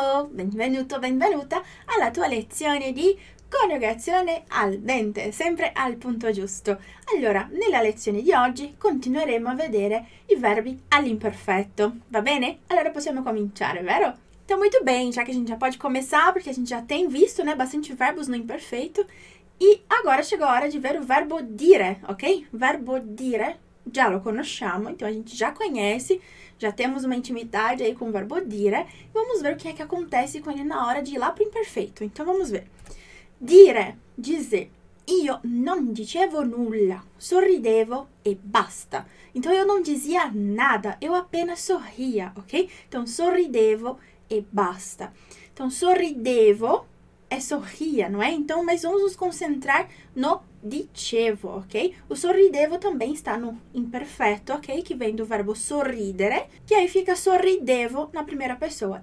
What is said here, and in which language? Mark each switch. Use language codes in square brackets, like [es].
[it] Benvenuto, benvenuta alla tua lezione di coniugazione al dente, sempre al punto giusto. Allora, nella lezione di oggi continueremo a vedere i verbi all'imperfetto. Va bene? Allora possiamo cominciare, vero? [pt] Tá muito bem, já que a gente já pode começar, porque a gente já tem visto, né, bastante verbos no imperfeito. E agora chegou a hora de ver o verbo dire, ok? Verbo dire, [it] já lo conosciamo, [pt] então a gente já conhece. Já temos uma intimidade aí com o verbo dire. Vamos ver o que é que acontece com ele na hora de ir lá para o imperfeito. Então vamos ver. Dire, dizer. [it] Io non dicevo nulla, sorridevo e basta. [pt] Então eu não dizia nada, eu apenas sorria, ok? Então [it] sorridevo e basta. [pt] Então sorridevo é sorria, não é? Então, mas vamos nos concentrar no dicevo, ok? O sorridevo também está no imperfeito, ok? Que vem do verbo sorridere, que aí fica sorridevo na primeira pessoa.